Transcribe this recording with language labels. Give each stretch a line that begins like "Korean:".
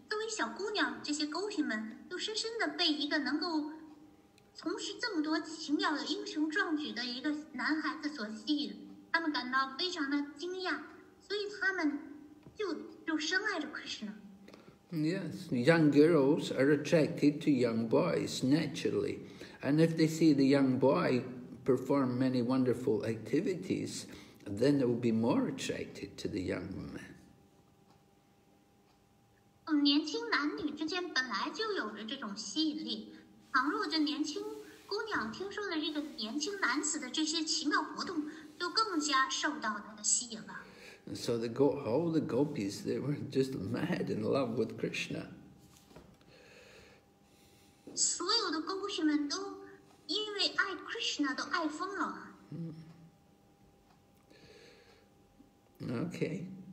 Chinese: 作为小姑娘，这些勾皮们又深深地被一个能够从事这么多奇妙的英雄壮举的一个男孩子所吸引，他们感到非常的惊讶。所以他们就深爱着 Krishna。
English: Yes, young girls are attracted to young boys naturally, and if they see the young boy perform many wonderful activities, then they will be more attracted to the young man.
Chinese: 年轻男女之间本来就有着这种吸引力，倘若这年轻姑娘听说了这个年轻男子的这些奇妙活动，就更加受到他的吸引了。
English: So the all the gopis, they were just mad in love with Krishna.
Chinese: 所有的 gopis 们都因为爱 Krishna 都爱疯了。
English: Okay.